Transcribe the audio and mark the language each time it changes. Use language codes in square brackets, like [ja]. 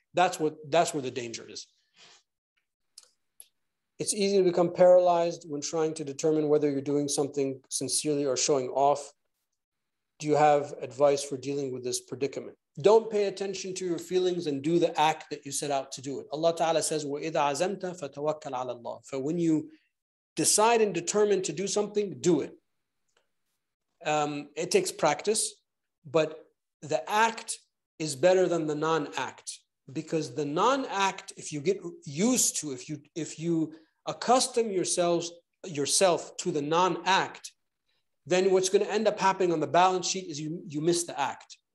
[en] That's where the danger is. It's easy to become paralyzed when trying to determine whether you're doing something sincerely or showing off. Do you have advice for dealing with this predicament? Don't pay attention to your feelings and do the act that you set out to do it. Allah Ta'ala says, [ar] وَإِذَا عَزَمْتَ فَتَوَكَّلْ عَلَى اللَّهِ. [en] For when you decide and determine to do something, do it. It takes practice, but the act is better than the non-act. Because the non-act, if you get used to, if you accustom yourself to the non-act, then what's going to end up happening on the balance sheet is you miss the act.